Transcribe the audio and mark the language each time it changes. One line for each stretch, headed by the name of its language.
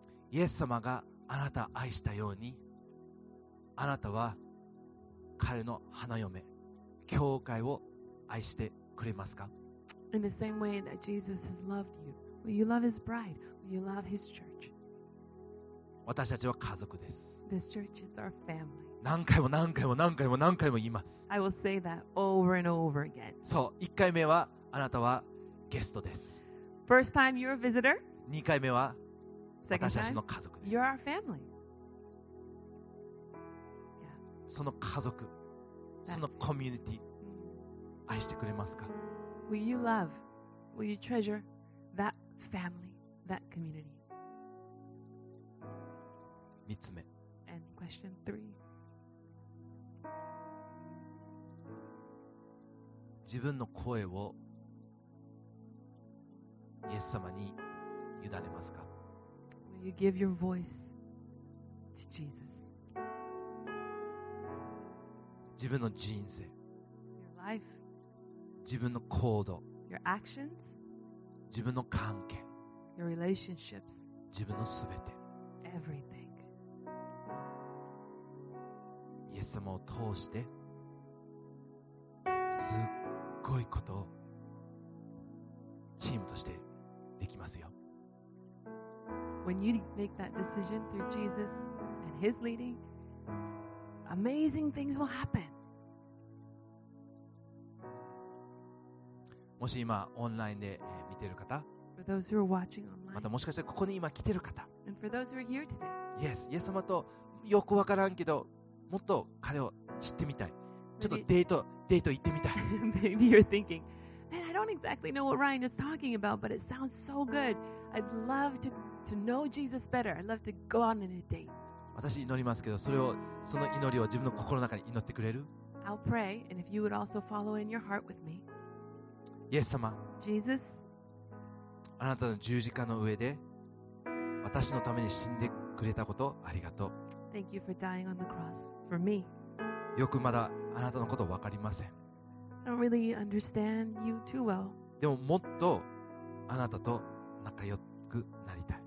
Japanese: イエス様があなたを愛したようにあなたは彼の花嫁、教会を愛してくれますか?
English: In the same way that Jesus has loved you, will you love his bride? Will you love his church?
Japanese: 私たちは家族です。
English: This church is our family.
Japanese: 何回も何回も何回も何回も言います。
English: I will say that over and over again.
Japanese: そう、1回目はあなたはゲストです。
English: First time you're a visitor.
Japanese: 2回目は私たちの家族です。
English: You're our family.
Japanese: その家族、そのコミュニティ、愛してくれますか?
English: Will you love, will you treasure that family, that community?
Japanese: 3つ目。
English: And question 3.
Japanese: 自分の声をイエス様に委ねますか?
English: Will you give your voice to Jesus?
Japanese: 自分の人生、
English: your life,
Japanese: 自分の行動、
English: your actions,
Japanese: 自分の関係、
English: your relationships,
Japanese: 自分のすべて、
English: everything.
Japanese: イエス様を通して、すっごいことをチームとしてできますよ。
English: When you make that decision through Jesus and His leading, amazing things will happen.
Japanese: もし今オンラインで見てる方
English: for those who are watching online,
Japanese: またもしかしてここに今来てる方
English: and for those who are here today,
Japanese: Yes, イエス様とよくわからんけどもっと彼を知ってみたいちょっとデート行ってみたい
English: Maybe you're thinking Man, I don't exactly know what Ryan is talking about but it sounds so good I'd love to know Jesus better I'd love to go on a date
Japanese: 私祈りますけどそれをその祈りを自分の心の中に祈ってくれる
English: I'll pray and if you would also follow in your heart with me
Japanese: イエス様、
English: Jesus,
Japanese: あなたの十字架の上で私のために死んでくれたことありがとう。
English: Thank you for dying on the cross for me.
Japanese: よくまだあなたのことわかりません。
English: I don't really understand you too well.
Japanese: でももっとあなたと仲良くなりたい。